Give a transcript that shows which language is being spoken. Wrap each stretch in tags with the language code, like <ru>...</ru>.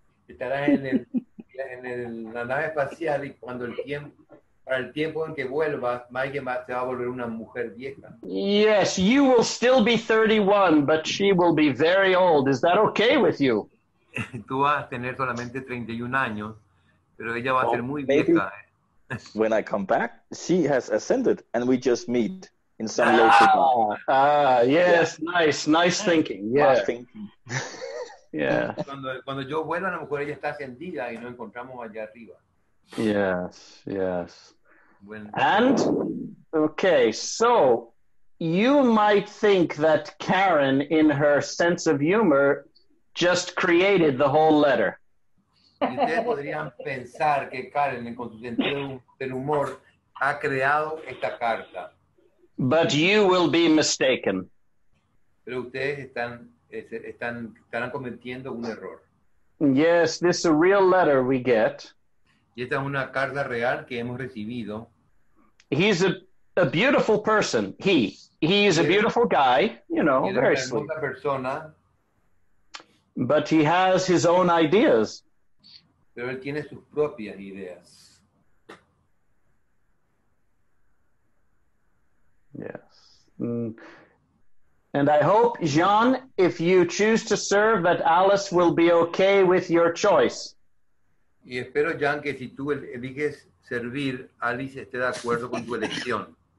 <es>Estarás en la nave espacial y cuando el tiempo en que vuelvas, Mike se va a volver una mujer vieja.</es> <en>Yes, you will still be 31, but she will be very old. Is that okay with you?</en> <es>Tú vas a tener solamente 31 años, pero ella va a ser muy vieja.</es> <en>When I come back, she has ascended and we just meet in some local bar. Yes, nice thinking. Yeah. Nice thinking. Yeah.</en> <es>Cuando yo vuelva, a lo mejor ella está ascendida y nos encontramos allá arriba.</es> <en>Yes. And, okay, so you might think that Karen, in her sense of humor, just created the whole letter.</en> <es>Y ustedes podrían pensar que Karen, con su sentido del humor, ha creado esta carta.</es> <en>But you will be mistaken.</en> <es>Pero ustedes estarán cometiendo un error.</es> <en>Yes, this is a real letter we get.</en> <es>Y esta es una carta real que hemos recibido.</es> <en>He's a beautiful person. He is a beautiful guy, you know, very sweet.</en> <es>Una persona.</es> <en>But he has his own ideas.</en> <es>Pero él tiene sus propias ideas.</es> <en>Yes. And I hope, Jean, if you choose to serve, that Alice will be okay with your choice.</en> <es>Y espero, Jean, que si tú eliges servir, Alice esté de acuerdo con tu elección.</es>